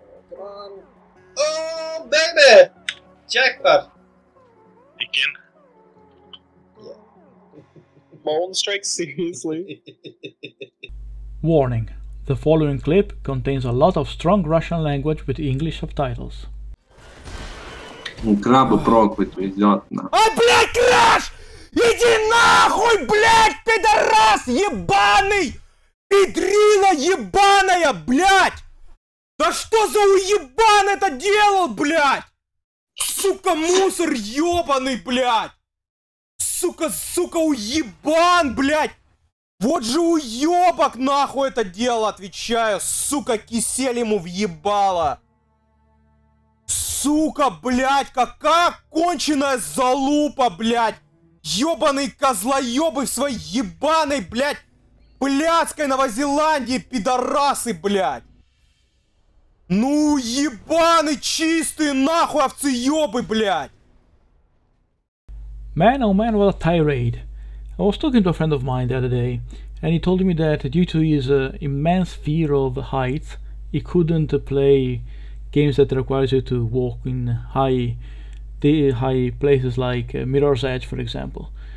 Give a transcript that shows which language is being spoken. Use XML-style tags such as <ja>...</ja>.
<en>Come on. Oh, baby! Jackpot! Again? Yeah. Bone strike, seriously? Warning. The following clip contains a lot of strong Russian language with English subtitles.</en> <ru>Краба проквит везет нам. А, блядь, Краш! Иди нахуй, блядь, пидорас ебаный! Пидрила ебаная, блядь! Да что за уебан это делал, блядь? Сука, мусор ебаный, блядь! Сука, уебан, блядь! Вот же уебок нахуй это дело, отвечаю! Сука, кисель ему въебало! Сука, блядь, какая конченая залупа, блядь! Ёбаные козлоёбы в своей ебаной, блядь, блядской Новозеландии, пидорасы, блядь! Ну, ебаны чистые, нахуй овцеёбы, блядь!</ru> <en>Man, oh man, what a tirade. I was talking to a friend of mine the other day, and he told me that due to his immense fear of heights, he couldn't play games that requires you to walk in high places like Mirror's Edge, for example.</en>